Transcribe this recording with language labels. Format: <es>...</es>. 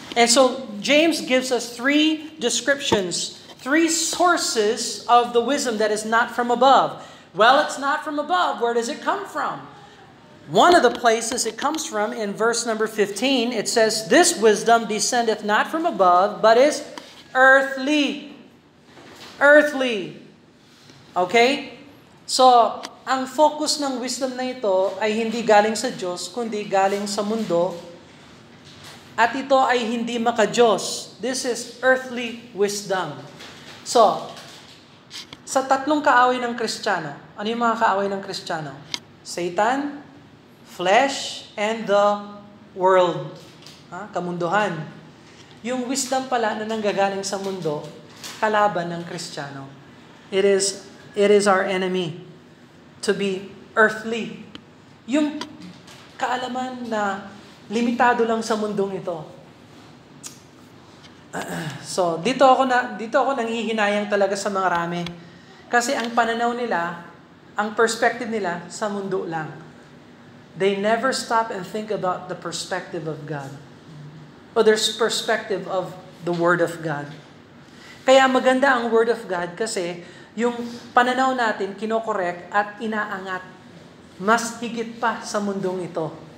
<en>And so, James gives us three descriptions, three sources of the wisdom that is not from above. Well, it's not from above. Where does it come from? One of the places it comes from in verse number 15, it says, "This wisdom descendeth not from above, but is earthly." Earthly. Okay?</en> <tl>So, ang focus ng wisdom na ito ay hindi galing sa Diyos, kundi galing sa mundo. at ito ay hindi maka-Diyos.</tl> <en>This is earthly wisdom.</en> <tl>So, sa tatlong kaaway ng Kristiyano, ano yung mga kaaway ng Kristiyano?</tl> <en>Satan, flesh, and the world.</en> <tl>Ha? Kamunduhan. Yung wisdom pala na nanggagaling sa mundo, kalaban ng Kristiyano.</tl> <en>It is our enemy to be earthly.</en> <tl>Yung kaalaman na limitado lang sa mundong ito. So, dito ako nanghihinayang talaga sa mga rami. Kasi ang pananaw nila, ang perspective nila, sa mundo lang.</tl> <en>They never stop and think about the perspective of God. Or there's perspective of the Word of God.</en> <tl>Kaya maganda ang Word of God kasi yung pananaw natin kinokorek at inaangat mas higit pa sa mundong ito.</tl>